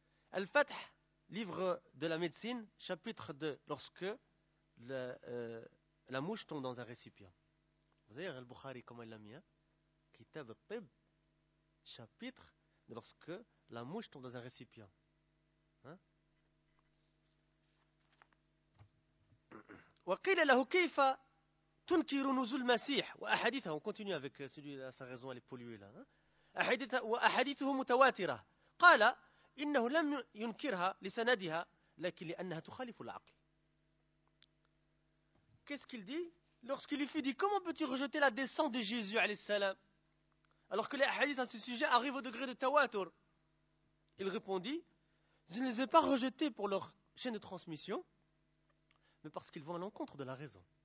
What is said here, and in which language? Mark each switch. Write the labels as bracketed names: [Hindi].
[French] Al-Fath, livre de la médecine, chapitre 2, lorsque la mouche tombe dans un récipient. Vous voyez Al-Bukhari comment il l'a mis, hein? Kitab al-Tib, chapitre de lorsque la mouche tombe dans un récipient. Hein? [Arabic] وقيل له كيف تنكر نزول المسيح واحاديثه [French] continue avec celui là sa raison elle est polluée là [Arabic] احاديثه واحاديثه متواتره قال انه لم ينكرها لسندها لكن لانها تخالف العقل. [French] Qu'est-ce qu'il dit? Lorsqu'il lui fut dit, comment peux-tu rejeter la descente de Jésus alayhi salam alors que les hadiths à ce sujet arrivent au degré de tawatur? Il répondit, je ne les ai pas rejetés pour leur chaîne de transmission, mais parce qu'ils vont à l'encontre de la raison.